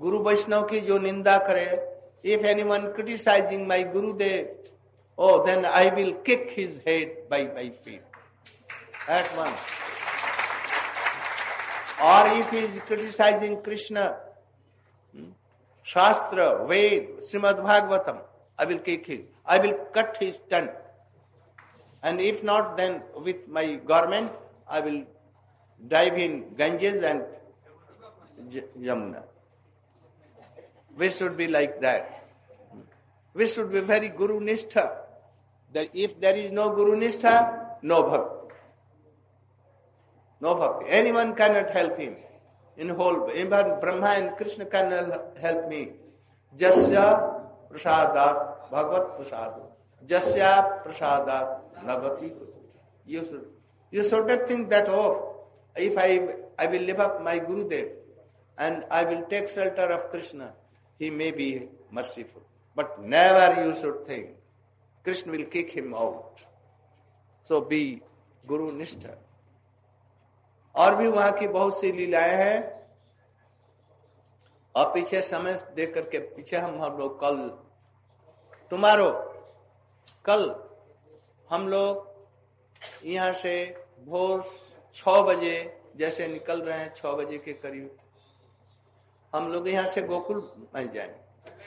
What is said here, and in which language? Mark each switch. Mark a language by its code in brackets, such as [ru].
[hi] गुरु वैष्णव की जो निंदा करे, [en] If anyone criticising my Gurudev oh then I will kick his head by my feet at one, और if is criticising Krishna shastra Veda Srimad Bhagavatam I will kick his I will cut his tongue and if not then with my government I will drive in Ganges and Yamuna. We should be like that. We should be very Guru Nishtha. That if there is no Guru Nishtha, no bhakti. No bhakti. Anyone cannot help him. In whole, even Brahma and Krishna cannot help me. [sa] Jasya prasada bhagavat prasada. Jasya prasada nabhati kutu. [en] You should not think that, oh, if I will live up my Gurudev and I will take shelter of Krishna, he may be merciful. But never you should think Krishna will kick him out. So be Guru Nishtha. [hi] और भी वहां की बहुत सी लीलाएं हैं। और पीछे समय देख करके पीछे हम लोग कल tomorrow कल हम लोग यहां से भोर 6 बजे जैसे निकल रहे हैं, 6 बजे के करीब हम लोग यहाँ से गोकुल में जाएंगे।